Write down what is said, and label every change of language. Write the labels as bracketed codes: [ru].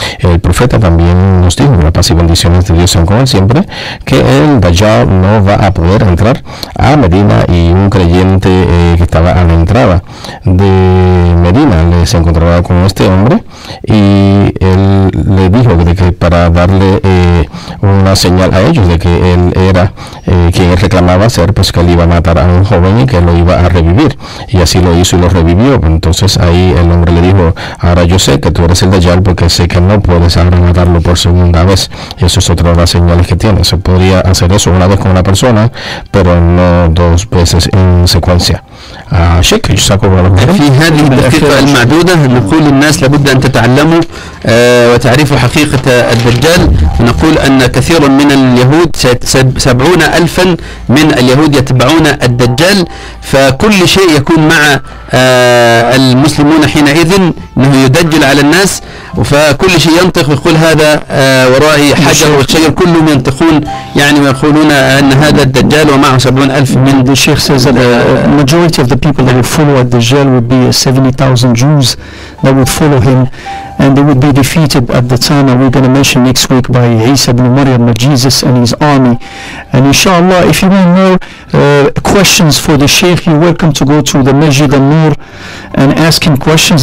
[es] El profeta también nos dijo, la paz y bendiciones de Dios sean con él siempre, que el Dajjal no va a poder entrar a Medina y un creyente que estaba a la entrada de Medina se encontrará con este hombre y él le dijo de que para darle una señal a ellos de que él era quien reclamaba ser, pues que él iba a matar a un joven y que lo iba a revivir, y así lo hizo y lo revivió. Entonces ahí el hombre le dijo: ahora yo sé que tú eres el Dajjal porque sé que no puedes ahora matarlo por segunda vez. Y eso es otra de las señales que tiene. Se podría hacer eso una vez con una persona, pero no dos veces en secuencia. [ar] في هذه الدقيقة المعدودة نقول للناس لابد أن تتعلموا وتعرفوا حقيقة الدجال. نقول أن كثير من اليهود 70,000 من اليهود يتبعون الدجال، فكل شيء يكون مع المسلمون حينئذ أنه يدجل على الناس، فكل شيء ينطق ويقول هذا ورائي حجر وشجر، كلهم ينطقون يعني ويقولون أن هذا الدجال ومعه 70,000 من [en] الشيخ majority of the people that would follow Ad-Dajjal would be 70,000 Jews that would follow him, and they would be defeated at the time, and we're going to mention next week, by Isa ibn Maryam, Jesus and his army. And inshallah, if you want more questions for the Sheikh, you're welcome to go to the Masjid al-Nur and ask him questions.